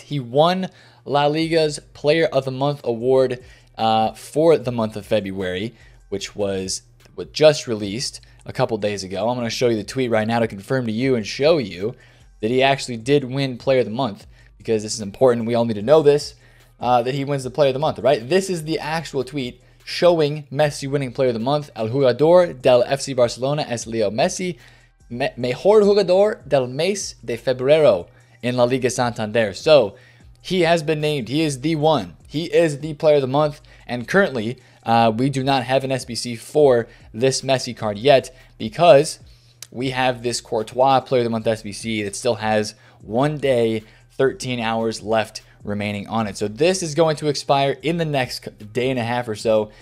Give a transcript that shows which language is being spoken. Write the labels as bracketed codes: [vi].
[en] He won La Liga's Player of the Month award for the month of February, which was just released a couple days ago. I'm going to show you the tweet right now to confirm to you and show you that he actually did win Player of the Month, because this is important. We all need to know this. That he wins the Player of the Month, right? This is the actual tweet showing Messi winning Player of the Month. [es] El jugador del FC Barcelona es Leo Messi. Mejor jugador del mes de febrero en la Liga Santander. [en] So, he has been named. He is the one. He is the Player of the Month. And currently, we do not have an SBC for this Messi card yet, because we have this Courtois Player of the Month SBC that still has 1 day, 13 hours left remaining on it. So this is going to expire in the next day and a half or so.